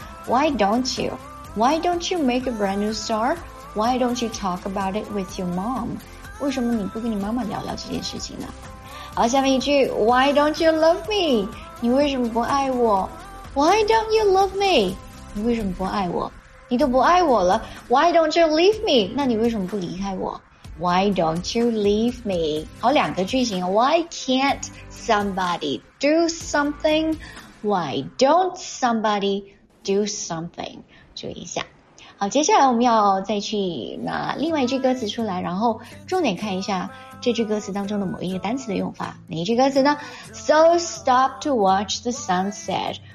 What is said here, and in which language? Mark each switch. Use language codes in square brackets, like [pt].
[en] Why don't you? Why don't you make a brand new star? Why don't you talk about it with your mom? [zh] 为什么你不跟你妈妈聊聊这件事情呢？好，下面一句 [en] Why don't you love me? [zh] 你为什么不爱我？ [en] Why don't you love me? [zh] 你为什么不爱我？你都不爱我了 [en] Why don't you leave me? [zh] 那你为什么不离开我？ [en] Why don't you leave me? [zh] 好，两个句型。 [en] Why can't somebody do something? Why don't somebody do something? [zh] 注意一下。好，接下来我们要再去拿另外一句歌词出来，然后重点看一下这句歌词当中的某一个单词的用法。哪一句歌词呢？ [en] So stop to watch the sunset.